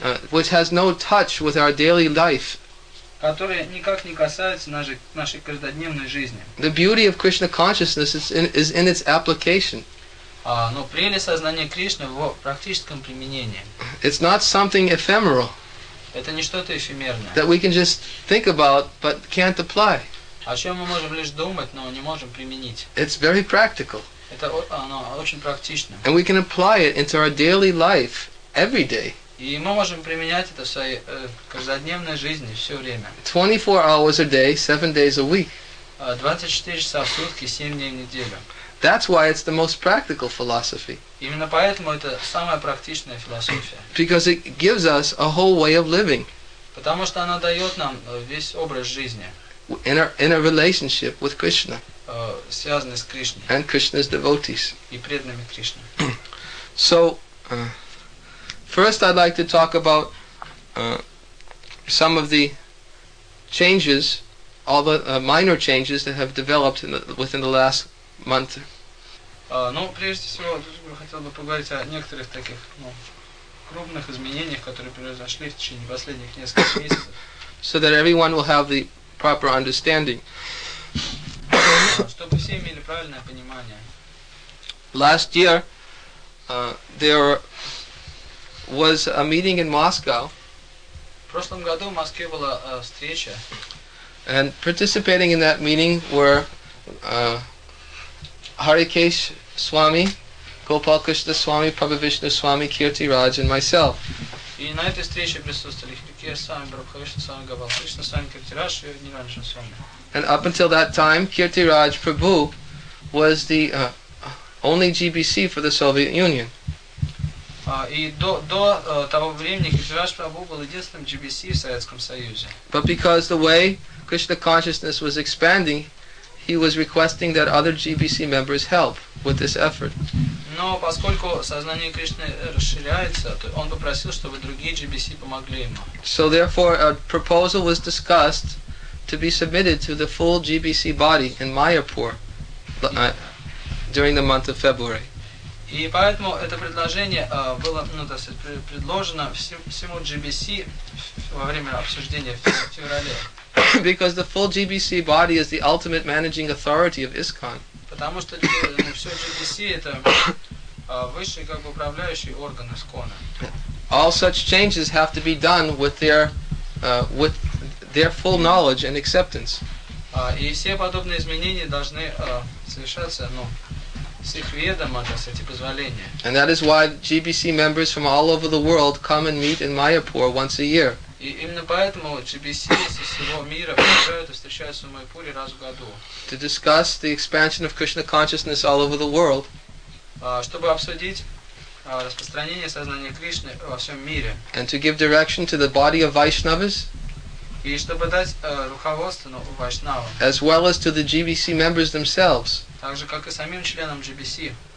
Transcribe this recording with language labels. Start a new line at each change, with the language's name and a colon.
English: Which has no touch with our daily life.
Russian: Которая никак не касается нашей каждодневной жизни.
English: The beauty of Krishna consciousness is in its application.
Russian: Но прелесть сознания Кришны в его практическом применении.
English: It's not something ephemeral.
Russian: Это не что-то эфемерное.
English: That we can just think about, but can't apply.
Russian: О чем мы можем лишь думать, но не можем применить.
English: It's very practical.
Russian: Это оно очень практично.
English: And we can apply it into our daily life every day.
Russian: И мы можем применять это в своей каждодневной жизни все время.
English: 24 hours a day, 7 days a week.
Russian: 24 часа в сутки, 7 дней в неделю.
English: That's why it's the most practical philosophy.
Russian: Именно поэтому это самая практичная философия.
English: Because it gives us a whole way of living.
Russian: Потому что она дает нам весь образ жизни.
English: In a relationship with Krishna.
Russian: Связанный с Кришной.
English: And Krishna's devotees.
Russian: И преданными Кришне.
English: So, first I'd like to talk about some of the changes, all the minor changes that have developed within the last mantra.
Russian: Ну, прежде всего, я хотел бы поговорить о некоторых таких, ну, крупных изменениях, которые произошли в течение последних нескольких месяцев.
English: So that everyone will have the proper understanding.
Russian: Чтобы все имели правильное понимание.
English: Last year, there was a meeting in Moscow.
Russian: В прошлом году в Москве была встреча.
English: And participating in that meeting were Harikesh Swami, Gopal Krishna Swami, Prabhu Vishnu Swami, Kirti Raj, and myself.
Russian: И на этой встрече присутствовали Харикеш Свами, Прабху Вишну Свами, Гопал Кришна Свами, Кирти Радж и Ниранджан Свами.
English: And up until that time, Kirti Raj Prabhu was the only GBC for the Soviet Union.
Russian: И до того времени Кирти Радж Прабху был единственным GBC в Советском Союзе.
English: But because the way Krishna consciousness was expanding, he was requesting that other GBC members help with this effort.
Russian: Но поскольку сознание Кришны расширяется, то он попросил, чтобы другие GBC помогли ему.
English: So therefore, a proposal was discussed to be submitted to the full GBC body in Mayapur during the month of February.
Russian: И поэтому это предложение было, ну, то есть предложено всему GBC во время обсуждения в феврале.
English: Because the full GBC body is the ultimate managing authority of ISKCON.
Russian: Потому что все GBC это высший как бы управляющий орган ИСККОНа.
English: All such changes have to be done with their full knowledge and acceptance.
Russian: И все подобные изменения должны совершаться, ну, с их ведома, то есть эти позволения.
English: And that is why GBC members from all over the world come and meet in Mayapur once a year.
Russian: И именно поэтому GBC со всего мира приезжают и встречаются в Майпуре раз в году.
English: To discuss the expansion of Krishna consciousness all over the world.
Russian: Чтобы обсудить распространение сознания Кришны во всем мире.
English: And to give direction to the body of Vaishnavas.
Russian: И чтобы дать руководство, ну, Вайшнавам.
English: As well as to the GBC members themselves.
Russian: Так же, как и самим членам GBC.